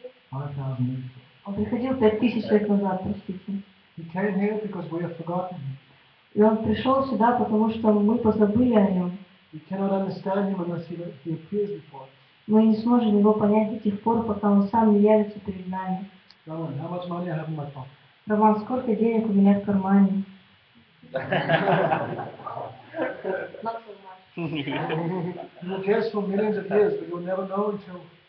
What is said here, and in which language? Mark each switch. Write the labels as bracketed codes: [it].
[ru] Он приходил 5000 лет назад, простите. [en] He came here because we have forgotten him. [ru] И он пришел сюда, потому что мы позабыли о нем. [en] We cannot understand him unless he appears before us. [ru] Мы не сможем его понять до тех пор, пока он сам не явится перед нами. [en] Роман, how much money I have in my pocket? [ru] Роман, сколько денег у меня в кармане? [en] Not so much. You'll guess for millions of years, but you'll never know until...